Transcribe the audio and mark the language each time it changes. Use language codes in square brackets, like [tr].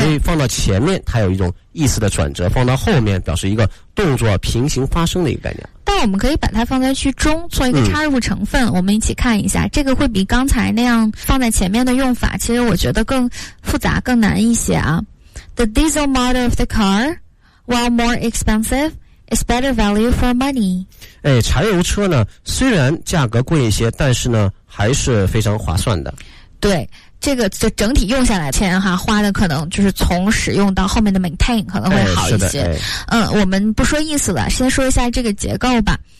[zh] 所以放到前面它有一种意思的转折，放到后面表示一个动作平行发生的一个概念。但我们可以把它放在句中做一个插入成分，我们一起看一下，这个会比刚才那样放在前面的用法其实我觉得更复杂更难一些啊。 [en] The diesel model of the car, while more expensive, is better value for money。 [zh] 哎，柴油车呢虽然价格贵一些，但是呢还是非常划算的。对，这个就整体用下来钱哈，花的可能就是从使用到后面的 maintain 可能会好一些。我们不说意思了，先说一下这个结构吧。